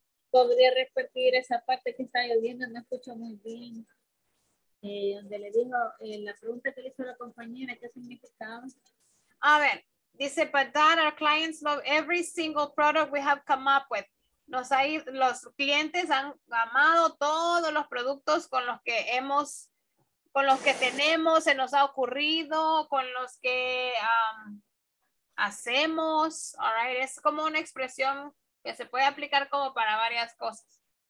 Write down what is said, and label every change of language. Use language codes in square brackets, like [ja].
[es] ¿Podría repetir esa parte que está lloviendo? No escucho muy bien. Donde le dijo, la pregunta que le hizo la compañera, ¿qué significaba? A ver, dice, [en] but Dad, our clients love every single product we have come up with. [es] Los clientes han amado todos los productos con los que tenemos, se nos ha ocurrido, con los que hacemos. [en] All right, [es] es como una expresión que se puede aplicar como para varias cosas.